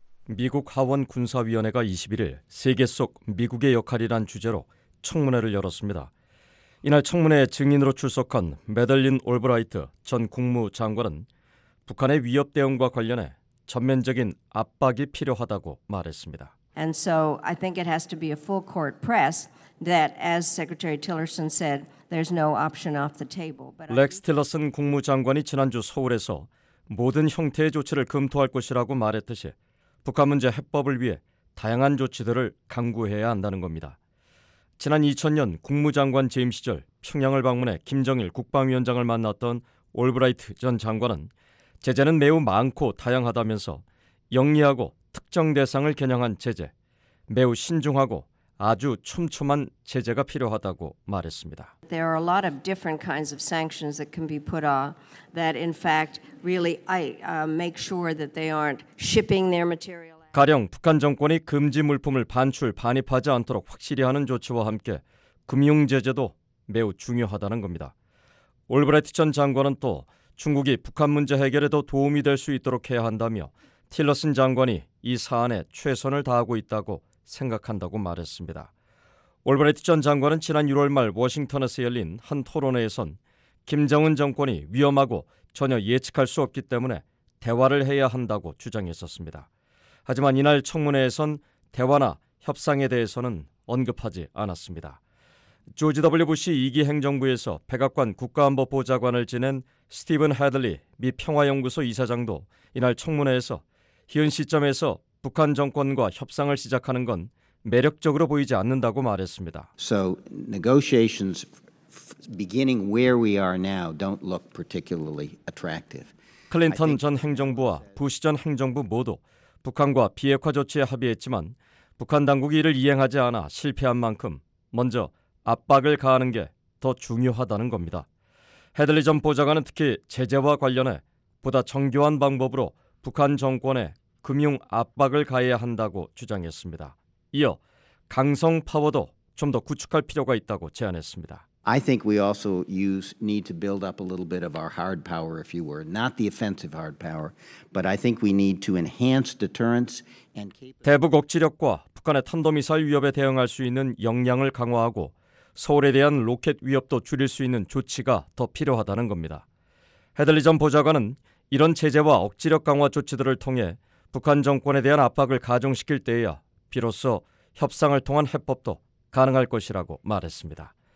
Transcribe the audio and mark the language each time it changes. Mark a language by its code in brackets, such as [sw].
[ko] 미국 하원 군사위원회가 21일 세계 속 미국의 역할이란 주제로 청문회를 열었습니다. 이날 청문회에 증인으로 출석한 매들린 올브라이트 전 국무장관은 북한의 위협 대응과 관련해 전면적인 압박이 필요하다고 말했습니다. [en] And so I think it has to be a full court press that as Secretary Tillerson said, there's no option off the table. [ko] 렉스 틸러슨 국무장관이 지난주 서울에서 모든 형태의 조치를 검토할 것이라고 말했듯이 북한 문제 해법을 위해 다양한 조치들을 강구해야 한다는 겁니다. 지난 2000년 국무장관 재임 시절 평양을 방문해 김정일 국방위원장을 만났던 올브라이트 전 장관은 제재는 매우 많고 다양하다면서 영리하고 특정 대상을 겨냥한 제재, 매우 신중하고 아주 촘촘한 제재가 필요하다고 말했습니다. [en] There are a lot of different kinds of sanctions that can be put on that in fact really make sure that they aren't shipping their material. [ko] 가령 북한 정권이 금지 물품을 반출, 반입하지 않도록 확실히 하는 조치와 함께 금융 제재도 매우 중요하다는 겁니다. 올브라이트 전 장관은 또 중국이 북한 문제 해결에도 도움이 될 수 있도록 해야 한다며 틸러슨 장관이 이 사안에 최선을 다하고 있다고 생각한다고 말했습니다. 올브라이트 전 장관은 지난 6월 말 워싱턴에서 열린 한 토론회에선 김정은 정권이 위험하고 전혀 예측할 수 없기 때문에 대화를 해야 한다고 주장했었습니다. 하지만 이날 청문회에선 대화나 협상에 대해서는 언급하지 않았습니다. 조지 W. 부시 2기 행정부에서 백악관 국가안보보좌관을 지낸 스티븐 헤들리 미 평화연구소 이사장도 이날 청문회에서 현 시점에서 북한 정권과 협상을 시작하는 건 매력적으로 보이지 않는다고 말했습니다. [en] So negotiations beginning where we are now don't look particularly attractive. [ko] 클린턴 전 행정부와 부시 전 행정부 모두 북한과 비핵화 조치에 합의했지만 북한 당국이 이를 이행하지 않아 실패한 만큼 먼저 압박을 가하는 게 더 중요하다는 겁니다. 헤들리 전 보좌관은 특히 제재와 관련해 보다 정교한 방법으로 북한 정권에 금융 압박을 가해야 한다고 주장했습니다. 이어 강성 파워도 좀 더 구축할 필요가 있다고 제안했습니다. [en] I think we also need to build up a little bit of our hard power, if you were not the offensive hard power, but I think we need to enhance deterrence and [ko] 대북 억지력과 북한의 탄도미사일 위협에 대응할 수 있는 역량을 강화하고 서울에 대한 로켓 위협도 줄일 수 있는 조치가 더 필요하다는 겁니다. 헤들리 전 보좌관은 이런 제재와 억지력 강화 조치들을 통해 북한 정권에 대한 압박을 가중시킬 때에야 비로소 협상을 통한 해법도 가능할 것이라고 말했습니다.